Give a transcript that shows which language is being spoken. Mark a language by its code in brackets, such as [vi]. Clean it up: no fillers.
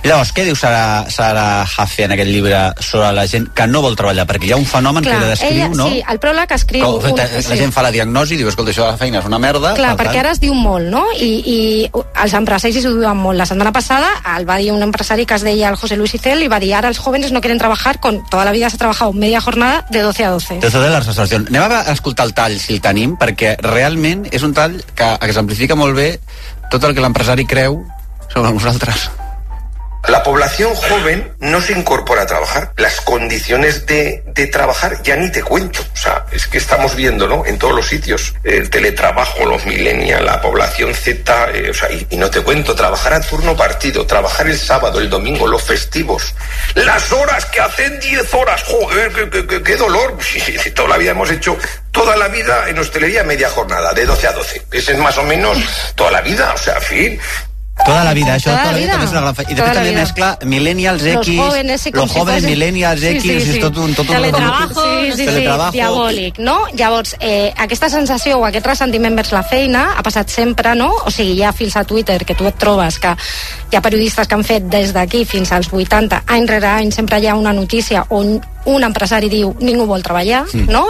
[ca] Llavors, què diu Sara Jaffe en aquest llibre sobre la gent que no vol treballar? Perquè hi ha un fenomen, clar, que ella descriu, ella, no? Sí, el pròleg escriu... La gent fa la diagnosi i diu, escolta, això de la feina és una merda. Clar, per perquè tant... ara es diu molt, no? I els empresaris s'ho diuen molt. La setmana passada el va dir un empresari que es deia el José Luis Itzel i va dir, ara els jóvens [es] no quieren trabajar. Con toda la vida se ha trabajado media jornada de 12 a 12. [ca] De la sensació. Anem a escoltar el tall, si el tenim, perquè realment és un tall que exemplifica molt bé tot el que l'empresari creu sobre nosaltres. [es] La población joven no se incorpora a trabajar. Las condiciones de trabajar ya ni te cuento. O sea, es que estamos viendo, ¿no?, en todos los sitios, el teletrabajo, los millennials, la población Z, o sea, y no te cuento, trabajar a turno partido, trabajar el sábado, el domingo, los festivos, las horas que hacen 10 horas, joder, qué dolor. Si toda la vida hemos hecho, toda la vida en hostelería media jornada, de 12 a 12. Ese es más o menos toda la vida, o sea, en fin... Toda la vida, [ca] això, [es] toda la vida [ca] també és una gran feina. I de fet també mescla millennials, [es] los X, los jóvenes, [ca] si millennials, sí, X, sí, sí. Tot teletrabajo, diabòlic, no? Llavors, aquesta sensació o aquest ressentiment vers la feina ha passat sempre, no? O sigui, hi ha fils a Twitter que tu et trobes que hi ha periodistes que han fet des d'aquí fins als 80, any rere any, sempre hi ha una notícia on un empresari diu ningú vol treballar, no?